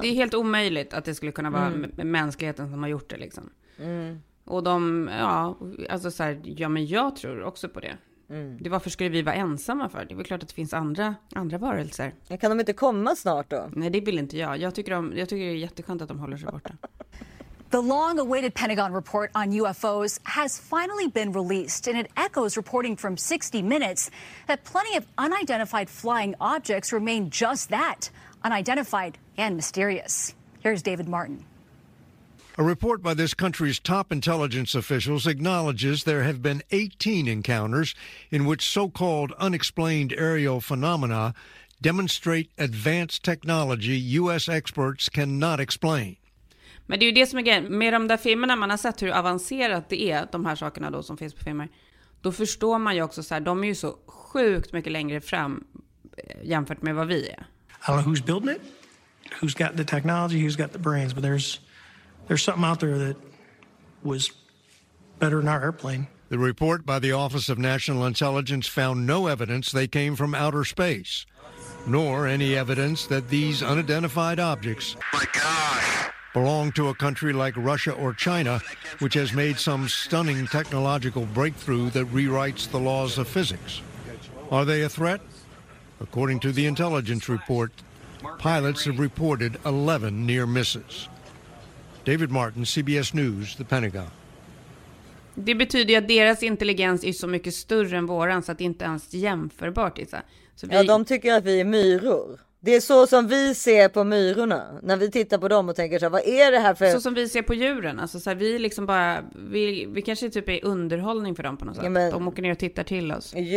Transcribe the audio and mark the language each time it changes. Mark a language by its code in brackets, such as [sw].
[sv] Det är helt omöjligt att det skulle kunna vara mänskligheten som har gjort det liksom. Mm. Och de, ja, alltså så här, ja, men jag tror också på det. Mm. Det, varför skulle vi vara ensamma för? Det är väl klart att det finns andra varelser. Kan de inte komma snart då? Nej, det vill inte jag. Jag tycker det är jätteskönt att de håller sig borta. [en] The long-awaited Pentagon report on UFOs has finally been released, and it echoes reporting from 60 Minutes that plenty of unidentified flying objects remain just that, unidentified and mysterious. Here's David Martin. A report by this country's top intelligence officials acknowledges there have been 18 encounters in which so-called unexplained aerial phenomena demonstrate advanced technology U.S. experts cannot explain. [sv] Men det är ju det som är grejen. Med de där filmerna, man har sett hur avancerat det är, de här sakerna då som finns på filmer, då förstår man ju också så här, de är ju så sjukt mycket längre fram jämfört med vad vi är. [en] Alla, who's building it? Who's got the technology? Who's got the brains? But there's something out there that was better than our airplane. The report by the Office of National Intelligence found no evidence they came from outer space, nor any evidence that these unidentified objects... My God! ...belong to a country like Russia or China, which has made some stunning technological breakthrough that rewrites the laws of physics. Are they a threat? According to the intelligence report, pilots have reported 11 near misses. David Martin, CBS News, The Pentagon. [sv] Det betyder ju att deras intelligens är så mycket större än våran, så att det inte ens jämförbart. Ja, de tycker att vi är myror. Det är så som vi ser på myrorna. När vi tittar på dem och tänker så här, vad är det här för... Så som vi ser på djuren. Alltså så här, vi kanske typ är underhållning för dem på något sätt. Ja, men, de åker ner och tittar till oss.